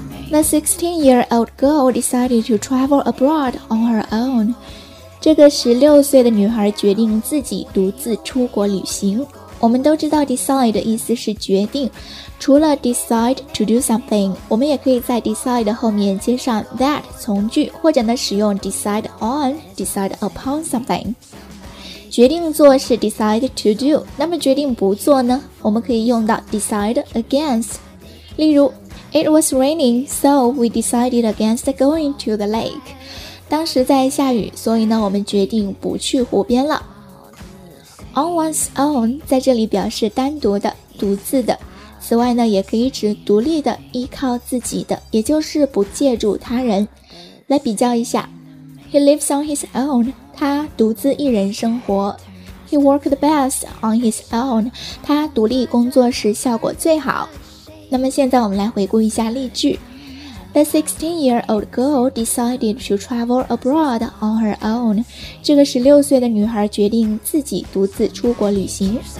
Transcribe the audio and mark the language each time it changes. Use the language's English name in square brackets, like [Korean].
[English] The 16-year-old girl decided to travel abroad on her own. [Chinese] 这个16岁的女孩决定自己独自出国旅行。我们都知道 decide 的意思是决定，除了 decide to do something， 我们也可以在 decide 后面接上 that 从句，或者呢使用 decide on, decide upon something。决定做是 decide to do， 那么决定不做呢，我们可以用到 decide against。例如 [English] It was raining, so we decided against going to the lake. [Chinese] 当时在下雨，所以呢，我们决定不去湖边了。 On one's own 在这里表示单独的、独自的。此外呢，也可以指独立的、依靠自己的，也就是不借助他人。来比较一下 [English] ，He lives on his own. [Chinese] 他独自一人生活。 [English] He worked best on his own. [Chinese] 他独立工作时效果最好。那么现在我们来回顾一下例句。 [English] The 16-year-old girl decided to travel abroad on her own. [Chinese] 这个16岁的女孩决定自己独自出国旅行。